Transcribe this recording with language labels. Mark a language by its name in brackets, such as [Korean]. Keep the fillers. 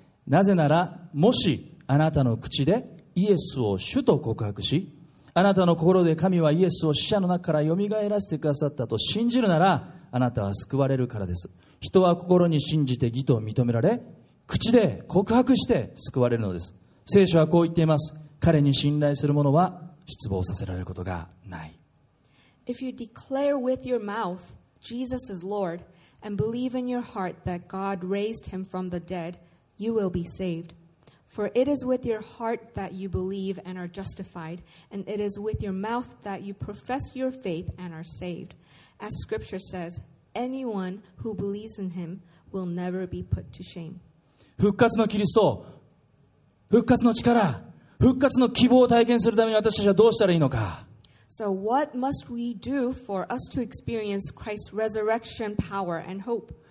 [Japanese] なぜなら、もしあなたの口でイエスを主と告白し、あなたの心で神はイエスを死者の中からよみがえらせてくださったと信じるなら、あなたは救われるからです。人は心に信じて義と認められ、口で告白して救われるのです。聖書はこう言っています。彼に信頼する者は失望させられることがない。 [English] If you declare with your mouth Jesus is Lord and believe in your heart that God raised him from the dead, you will be saved. For it is with your heart that you believe and are justified, and it is with your mouth that you profess your faith and are saved. As scripture says, anyone who believes in him will never be put to shame. [Japanese] 復活のキリスト、復活の力、復活の希望を体験するために私たちはどうしたらいいのか。 [English] so, what must we do for us to experience Christ's resurrection power and hope?